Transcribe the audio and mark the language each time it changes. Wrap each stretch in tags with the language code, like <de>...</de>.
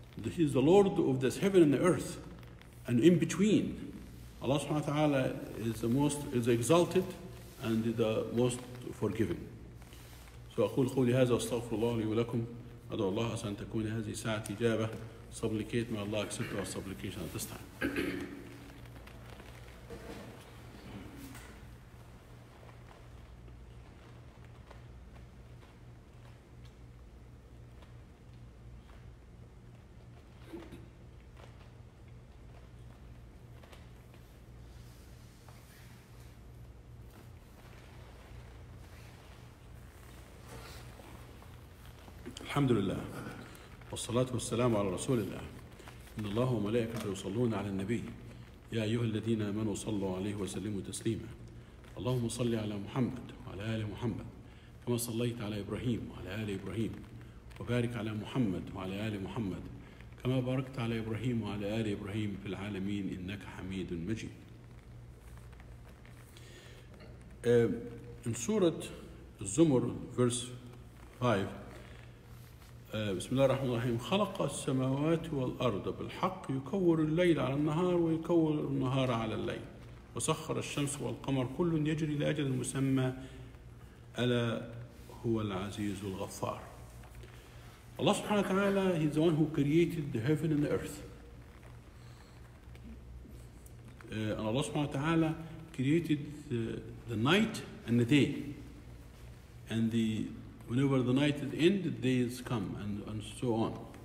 <en>He is the Lord of this heaven and the earth. And in between, Allah subhanahu wa ta'ala is the exalted and the most forgiving.</en> <ar>So أقول قولي هذا واستغفر الله لي ولكم. أدعو الله عسى أن تكون هذه ساعة إجابة.</ar> <en>Supplicate, may Allah accept our supplication at this time.</en> <ar>الحمد لله. والصلاة والسلام على رسول الله. إن الله وملائكته يصلون على النبي. يا أيها الذين آمنوا صلوا عليه وسلموا تسليما. اللهم صل على محمد وعلى آل محمد كما صليت على إبراهيم وعلى آل إبراهيم، وبارك على محمد وعلى آل محمد كما باركت على إبراهيم وعلى آل إبراهيم في العالمين إنك حميد مجيد.</ar> <en>In سورة الزمر verse 5.</en> <ar>بسم الله الرحمن الرحيم. خلق السماوات والأرض بالحق يكور الليل على النهار ويكور النهار على الليل وسخر الشمس والقمر كل يجري لأجل مسمى ألا هو العزيز الغفار.</ar> <en>الله سبحانه وتعالى He's the one who created the heaven and the earth. And الله سبحانه وتعالى created the night and the day and the whenever the night is end, the day is come, and so on.</en>